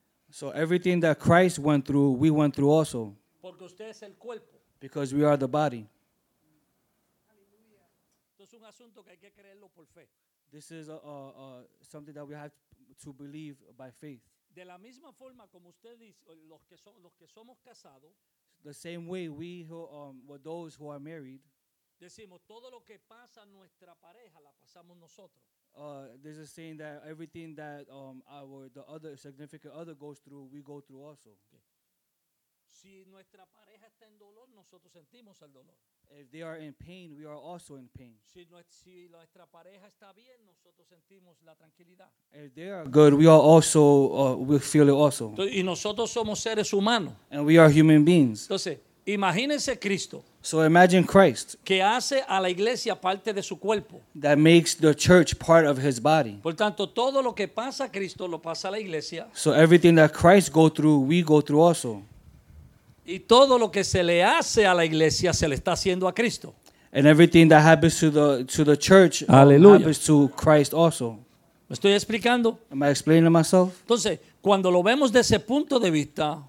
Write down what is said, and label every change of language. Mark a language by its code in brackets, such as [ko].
[en] So everything that Christ went through, we went through also. [es] Porque usted es el cuerpo. [en] Because we are the body. [es] Esto es un asunto que hay que creerlo por fe. [en] This is something that we have to believe by faith. [es] De la misma forma como usted dice, los que somos casados. [en] The same way we who were those who are married. [es] Decimos todo lo que pasa a nuestra pareja la pasamos nosotros. [en] There's a saying that everything that the other significant other goes through, we go through also. Okay. [es] Si nuestra pareja está en dolor, nosotros sentimos el dolor. [en] If they are in pain, we are also in pain. [es] Si nuestra pareja está bien, nosotros sentimos la tranquilidad. [en] If they are good, we are also we feel it also. [es] Y nosotros somos seres humanos. [en] And we are human beings. [es] Entonces, imagínense Cristo. [en] So imagine Christ. [es] Que hace a la iglesia parte de su cuerpo. [en] That makes the church part of his body. [es] Por tanto, todo lo que pasa a Cristo lo pasa a la iglesia. [en] So everything that Christ go through, we go through also. [es] Y todo lo que se le hace a la iglesia se le está haciendo a Cristo. [en] And everything that happens to the church, [es] aleluya, [en] happens to Christ also. [es] ¿Me estoy explicando? [en] Am I explaining myself? [es] Entonces, cuando lo vemos de ese punto de vista,